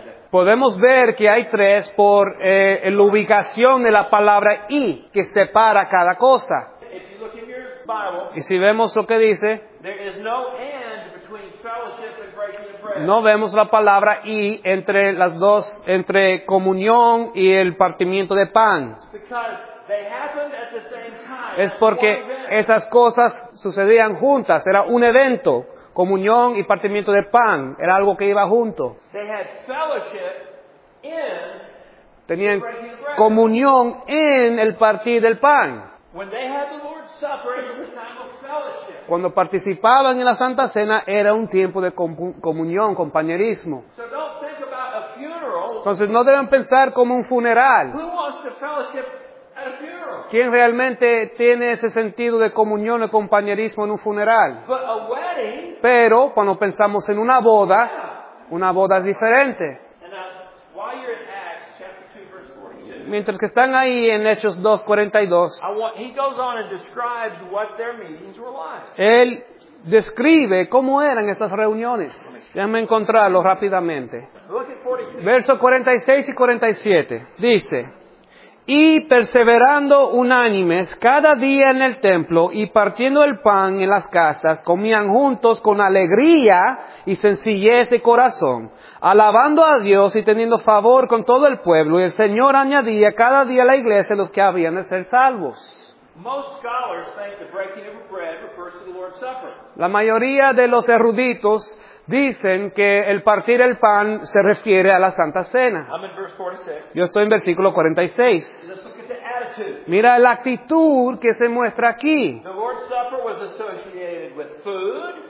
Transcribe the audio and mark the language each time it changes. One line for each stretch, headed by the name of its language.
Spanish: Podemos ver que hay tres por la ubicación de la palabra y que separa cada cosa.
English: If you look in your Bible,
Spanish: y si vemos lo que dice,
English: there is no and between fellowship and breaking the bread.
Spanish: No vemos la palabra y entre las dos, entre comunión y el partimiento de pan.
English: Because they happened at the same time.
Spanish: Es porque esas cosas sucedían juntas, era un evento. Comunión y partimiento de pan. Era algo que iba junto.
English: They had fellowship in
Spanish: tenían comunión en el partir del pan.
English: When they had the Lord's Supper, it was a time of fellowship.
Spanish: Cuando participaban en la Santa Cena, era un tiempo de comunión, compañerismo.
English: So don't think about a funeral.
Spanish: Entonces no deben pensar como un funeral.
English: Who wants to fellowship at a funeral?
Spanish: ¿Quién realmente tiene ese sentido de comunión y compañerismo en un funeral?
English: But a wedding,
Spanish: pero cuando pensamos en una boda, yeah, una boda es diferente.
English: Now, while you're in Acts, chapter 2, verse 42,
Spanish: mientras que están ahí en Hechos 2:42,
English: he goes on and describes what their meetings were like.
Spanish: Él describe cómo eran esas reuniones. Déjame encontrarlo rápidamente.
English: Look at 46.
Spanish: Verso 46 y 47. Dice: y perseverando unánimes cada día en el templo y partiendo el pan en las casas, comían juntos con alegría y sencillez de corazón, alabando a Dios y teniendo favor con todo el pueblo, y el Señor añadía cada día a la iglesia los que habían de ser salvos.
English: Most scholars think the breaking of bread refers to the Lord's Supper.
Spanish: La mayoría de los eruditos dicen que el partir el pan se refiere a la Santa Cena.
English: I'm in verse 46.
Spanish: Yo estoy en versículo 46.
English: Let's look at the attitude.
Spanish: Mira la actitud que se muestra aquí.
English: The Lord's Supper was associated with food.